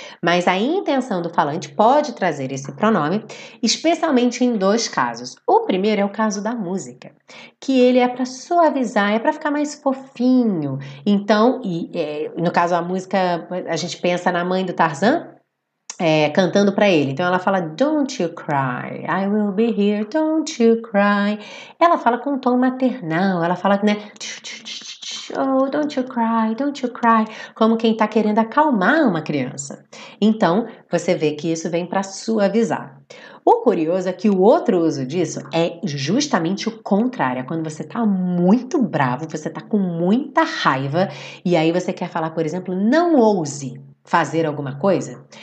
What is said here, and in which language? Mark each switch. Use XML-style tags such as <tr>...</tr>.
<pt>Mas a intenção do falante pode trazer esse pronome, especialmente em dois casos. O primeiro é o caso da música, que ele é para suavizar, é para ficar mais fofinho. Então, no caso da música, a gente pensa na mãe do Tarzan cantando para ele.</pt> <en>Então, ela fala, don't you cry, I will be here, don't you cry.</en> <pt>Ela fala com um tom maternal, ela fala, né,</pt> <en>oh, don't you cry,</en> <pt>como quem está querendo acalmar uma criança. Então, você vê que isso vem para suavizar. O curioso é que o outro uso disso é justamente o contrário. É quando você está muito bravo, você está com muita raiva, e aí você quer falar, por exemplo, não ouse fazer alguma coisa.</pt>